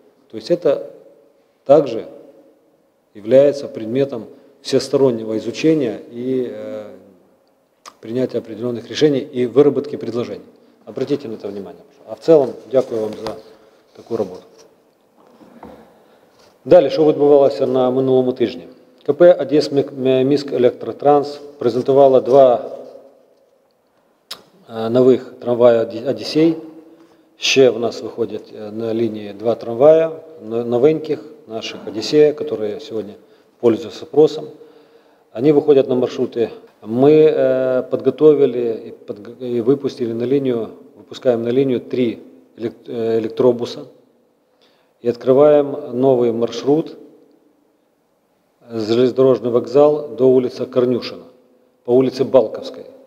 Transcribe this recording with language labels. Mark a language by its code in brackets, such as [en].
[ru] То есть это также является предметом всестороннего изучения и принятия определенных решений и выработки предложений. Обратите на это внимание. А в целом, дякую вам за такую работу. [uk] Далее, что відбувалося на минулому тижні. КП «Одесмиск-Электротранс» презентувало два нових трамвая «Одесей». Ще в нас виходять на лінії два трамвая новеньких наших «Одесея», які сьогодні пользуются спросом. Вони виходять на маршрути. [ru] Ми підготовили і випустили на лінію, выпускаем на линию три электробуса и открываем новый маршрут с железнодорожный вокзал до улицы Корнюшина, по улице Балковской.